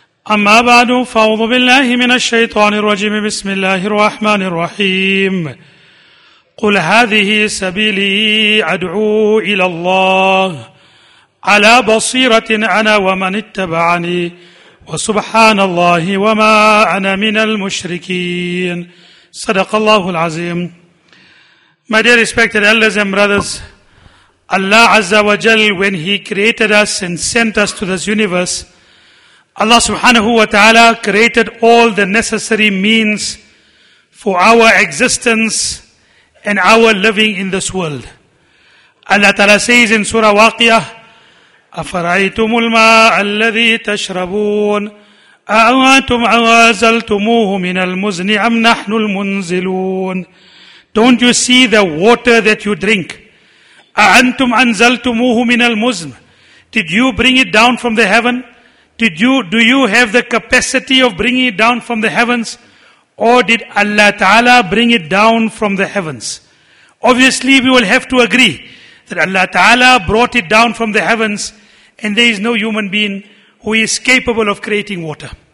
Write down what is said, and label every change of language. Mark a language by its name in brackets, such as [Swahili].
[Arabic] أما بعد، فأعوذ بالله من الشيطان الرجيم، بسم الله الرحمن الرحيم. قل هذه سبيلي أدعو إلى الله على بصيرة أنا ومن اتبعني وسبحان الله وما أنا من المشركين. صدق الله العظيم. [English] My dear respected elders and brothers, Allah Azza wa Jal, when He created us and sent us to this universe, Allah Subhanahu wa Ta'ala created all the necessary means for our existence and our living in this world. Allah Ta'ala says in Surah Waqiyah, [Arabic] أفرأيتم الماء الذي تشربون أأنتم أنزلتموه من المزن أم نحن المنزلون. [English] Don't you see the water that you drink? [Arabic] أأنتم أنزلتموه من المزن. [English] Did you bring it down from the heaven? Do you have the capacity of bringing it down from the heavens? Or did Allah Ta'ala bring it down from the heavens? Obviously we will have to agree that Allah Ta'ala brought it down from the heavens, and there is no human being who is capable of creating water.